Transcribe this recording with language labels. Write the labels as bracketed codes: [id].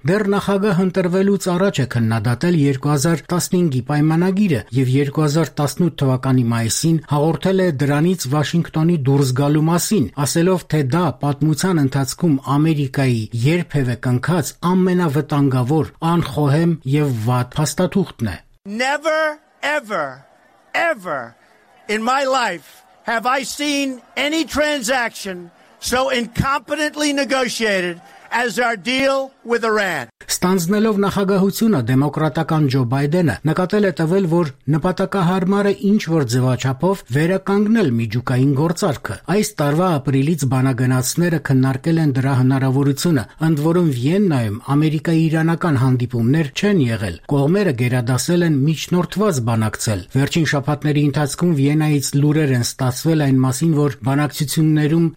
[hy] դեռ նախագահ ընտրվելուց առաջ է քննադատել 2015-ի պայմանագիրը և 2018 թվականի մայիսին հաղորդել է դրանից Վաշինգտոնի դուրս գալու մասին, ասելով, թե դա պատմության ընթացքում Ամերիկայի երբևէ կնքած ամենավտանգավոր, անխոհեմ և վատ փաստաթուղթն է։ [en] Never ever ever in my life have I seen any transaction so incompetently negotiated as our deal with Iran. [hy] Ստանձնելով նախագահությունը, դեմոկրատական Ջո Բայդենը նկատել է տվել, որ նպատակահարմարը ինչ-որ ձևաչափով վերականգնել միջուկային գործարքը։ Այս տարվա ապրիլից բանագնացները քննարկել են դրա հնարավորությունը, ընդ որում Վիեննայում ամերիկա-իրանական հանդիպումներ չեն եղել։ Կողմերը գերադասել են միջնորդված բանակցել։ Վերջին շաբաթների ընթացքում Վիեննայից լուրեր են ստացվել այն մասին, որ բանակցություններում